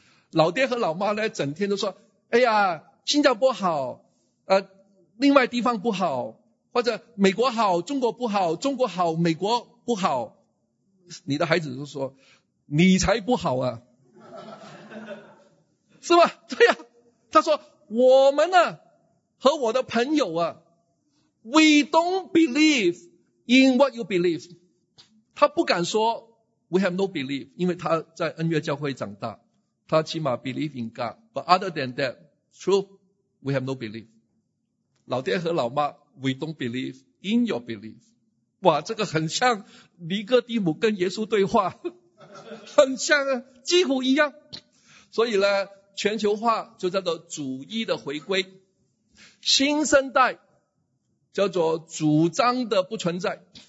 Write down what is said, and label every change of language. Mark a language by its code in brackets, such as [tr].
[zh] 老爹和老妈呢整天都说，哎呀，新加坡好，另外地方不好，或者美国好中国不好，中国好美国不好。你的孩子就说，你才不好啊，是吧？对呀、啊，他说我们呢、啊、和我的朋友啊， [en] We don't believe in what you believe。 [zh] 他不敢说 [en] We have no belief， [zh] 因为他在恩悦教会长大，他起码 [en] believe in God， but other than that truth we have no belief。 [zh] 老爹和老妈， [en] We don't believe in your belief。 [zh] 哇，这个很像尼哥底母跟耶稣对话，很像啊，几乎一样。所以呢，全球化就叫做主义的回归，新生代叫做主张的不存在。